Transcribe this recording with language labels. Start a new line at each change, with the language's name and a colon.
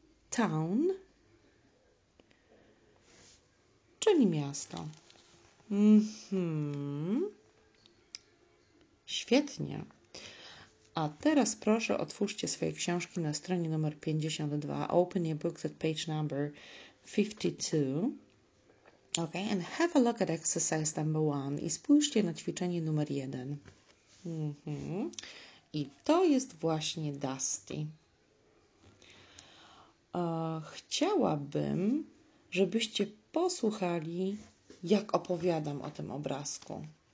English: Town.
Polish: Czyli miasto. Świetnie. A teraz proszę otwórzcie swoje książki na stronie numer 52.
English: Open your books at page number 52. Okay, and have a look at exercise number 1.
Polish: I spójrzcie na ćwiczenie numer 1. I to jest właśnie Dusty. Chciałabym, żebyście posłuchali, jak opowiadam o tym obrazku.